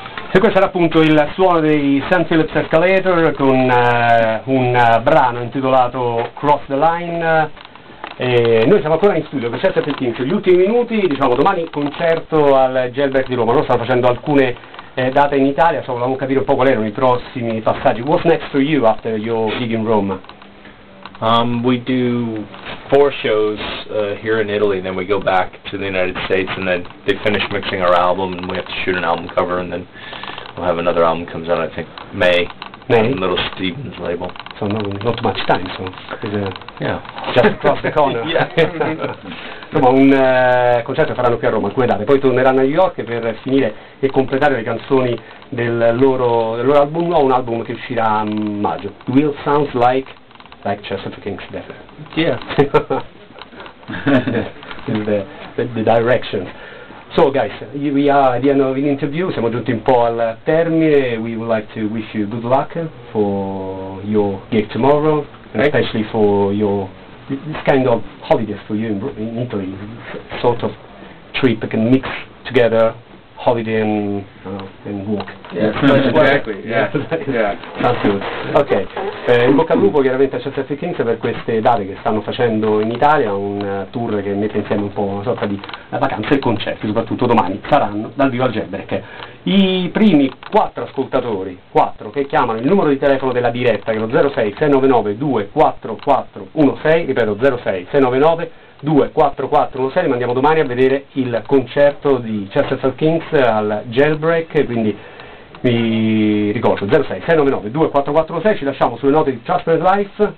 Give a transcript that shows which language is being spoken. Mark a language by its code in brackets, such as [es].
[it] E questo era appunto il suono dei St. Phillips Escalator con un brano intitolato Cross the Line. E noi siamo ancora in studio per Chesterfield Kings, gli ultimi minuti, diciamo domani concerto al Jailbreak di Roma. Loro stanno facendo alcune date in Italia, insomma, volevamo capire un po' quali erano i prossimi passaggi. [en] What's next for you after your gig in Roma? We do 4 shows here in Italy, then we go back to the United States, and then they finish mixing our album, and we have to shoot an album cover, and then we'll have another album comes out, I think, May. Little Stevens label. So not much time, so yeah, just across the corner. [it] Insomma, un concerto faranno qui a Roma, in quelle date, poi torneranno a New York per finire e completare le canzoni del loro album nuovo, un album che uscirà a maggio. [en] Will sounds like Chesterfield Kings, definitely. Yeah. in the direction. So, guys, we are at the end of the interview. [it] Siamo giunti un po' al termine. [en] We would like to wish you good luck for your gig tomorrow, and especially for your this kind of holidays for you in Italy. Sort of trip that can mix together holiday and work. Yeah, exactly. Yeah. Sounds good. Okay. [it] In bocca al lupo chiaramente a Chesterfield Kings per queste date che stanno facendo in Italia, un tour che mette insieme un po' una sorta di vacanza e concerti, soprattutto domani saranno dal vivo al Jailbreak. I primi 4 ascoltatori, 4, che chiamano il numero di telefono della diretta, che è lo 06-699-24416, ripeto 06-699-24416, li mandiamo domani a vedere il concerto di Chesterfield Kings al Jailbreak, quindi vi ricordo 06-699-24416, ci lasciamo sulle note di Chesterfield Life.